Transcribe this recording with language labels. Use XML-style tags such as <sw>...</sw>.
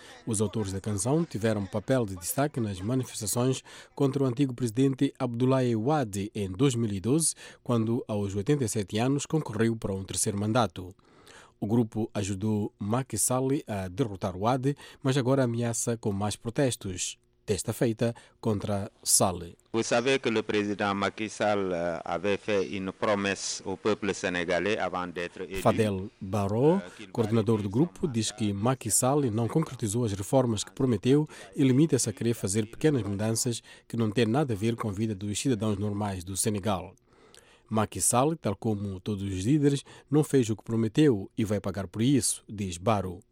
<pt>Os autores da canção tiveram papel de destaque nas manifestações contra o antigo presidente Abdoulaye Wade em 2012, quando, aos 87 anos, concorreu para um terceiro mandato. O grupo ajudou Macky Sall a derrotar Wade, mas agora ameaça com mais protestos, desta feita, contra Sall.</pt> <fr>Vous savez que le président Macky Sall avait fait une promesse au peuple sénégalais avant d'être élu.</fr> <pt>Fadel Baro, coordenador do grupo, diz que Macky Sall não concretizou as reformas que prometeu e limita-se a querer fazer pequenas mudanças que não têm nada a ver com a vida dos cidadãos normais do Senegal. Macky Sall, tal como todos os líderes, não fez o que prometeu e vai pagar por isso, diz Baro.</pt>